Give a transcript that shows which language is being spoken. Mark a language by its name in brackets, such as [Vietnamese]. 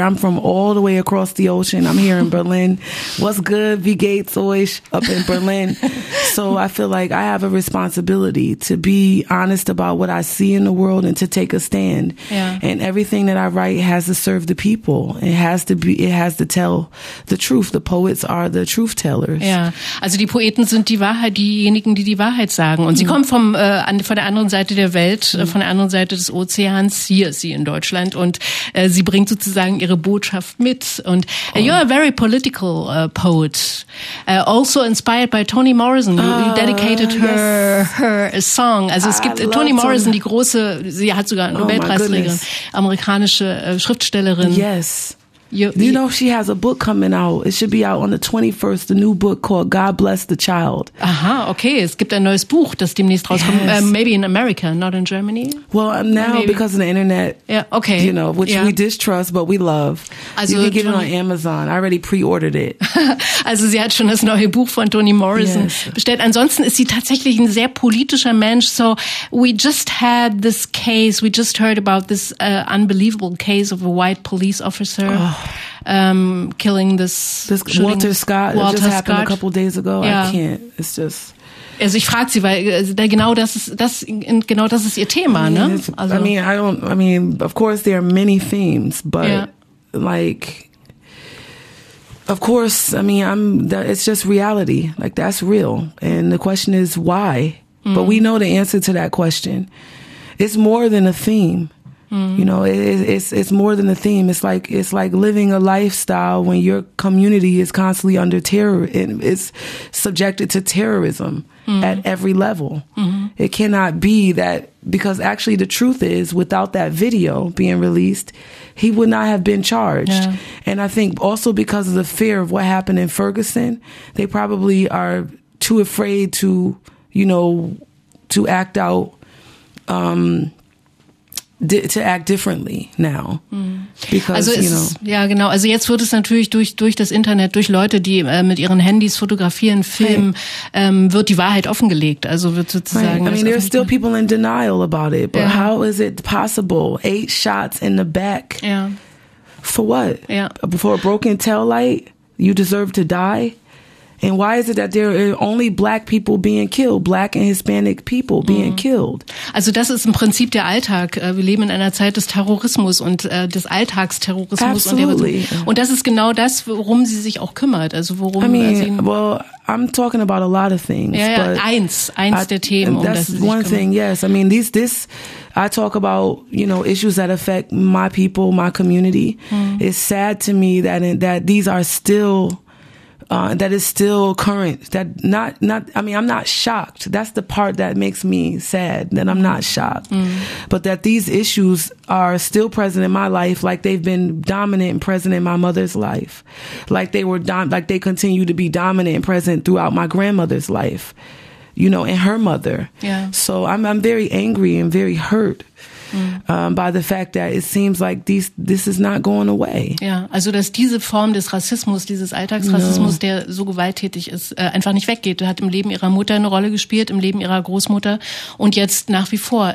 [English] I'm from all the way across the ocean. I'm here in Berlin. What's good, [German] wie geht's euch [English] up in Berlin? So I feel like I have a responsibility to be honest about what I see in the world and to take a stand. Yeah. And everything that I write has to serve the people. It has to tell the truth. The poets are the truth tellers. Yeah. [German] Also die Poeten sind die Wahrheit, diejenigen, die die Wahrheit sagen. Und sie kommen vom von der anderen Seite der Welt, von der anderen Seite des Ozeans. Hier ist sie in Deutschland und sie bringt sozusagen ihre Botschaft mit. [English] Und you're a very political poet. Also inspired by Toni Morrison, who dedicated her song. [German] Also es gibt Toni Morrison, die große, sie hat sogar Nobelpreisträgerin, amerikanische Schriftstellerin. [English] Yes. You know, she has a book coming out. It should be out on the 21st, the new book called God Bless the Child. Aha, okay. [German] Es gibt ein neues Buch, das demnächst rauskommt. [English] Yes. Maybe in America, not in Germany. Well, now maybe. Because of the internet. Yeah, okay. You know, which we distrust, but we love. Also, you can get it on Amazon. I already pre-ordered it. [German] Also sie hat schon das neue Buch von Toni Morrison bestellt. Ansonsten ist sie tatsächlich ein sehr politischer Mensch. [English] So we just had this case. We just heard about this unbelievable case of a white police officer. Killing this Walter Scott. Walter just happened Scott. A couple days ago. Yeah. I can't. It's just. [German] Also ich frage sie, weil genau das ist ihr Thema, ne? Also [English] I mean, of course there are many themes, but like, of course, I mean, it's just reality. Like that's real, and the question is why. Mm. But we know the answer to that question. It's more than a theme. You know, it's more than a theme. It's like living a lifestyle when your community is constantly under terror and is subjected to terrorism at every level. Mm-hmm. It cannot be that, because actually the truth is, without that video being released, he would not have been charged. Yeah. And I think also because of the fear of what happened in Ferguson, they probably are too afraid to, you know, to act out, to act differently now. Because, [German] also es, [English] you know. [German] Ja, genau. Also jetzt wird es natürlich durch das Internet, durch Leute, die mit ihren Handys fotografieren, filmen, wird die Wahrheit offengelegt. Also wird sozusagen. [English] I mean, there are still people in denial about it, but how is it possible? 8 shots in the back. [German] Ja. [English] For what? [German] Ja. [English] For a broken tail light? You deserve to die? And why is it that there are only black people being killed, black and Hispanic people being killed? [German] Also das ist im Prinzip der Alltag. Wir leben in einer Zeit des Terrorismus und des Alltagsterrorismus. [English] Absolutely. [German] Und das ist genau das, worum sie sich auch kümmert. Also worum [English] I'm talking about a lot of things. [German] Ja, ja, eins der Themen, um das sie sich kümmert. [English] One thing, yes. I mean, I talk about, you know, issues that affect my people, my community. Mm. It's sad to me that these are still... that is still current. That I mean, I'm not shocked. That's the part that makes me sad, that I'm not shocked. Mm. But that these issues are still present in my life, like they've been dominant and present in my mother's life. Like they were, like they continue to be dominant and present throughout my grandmother's life, you know, and her mother. Yeah. So I'm very angry and very hurt. By the fact that it seems like this is not going away. [German] Ja, also dass diese Form des Rassismus, dieses Alltagsrassismus, der so gewalttätig ist, einfach nicht weggeht. Er hat im Leben ihrer Mutter eine Rolle gespielt, im Leben ihrer Großmutter und jetzt nach wie vor.